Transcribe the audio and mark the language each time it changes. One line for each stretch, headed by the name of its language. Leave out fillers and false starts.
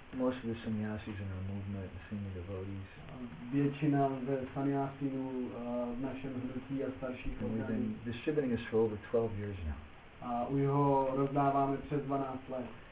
English: Most of the sannyasis in our movement, the senior devotees.
Czech: Většina ze sannyasinů v našem hnutí a starších oddaní.
English: We've been distributing this for over 12 years now.
Czech: A my ho rozdáváme přes 12 let.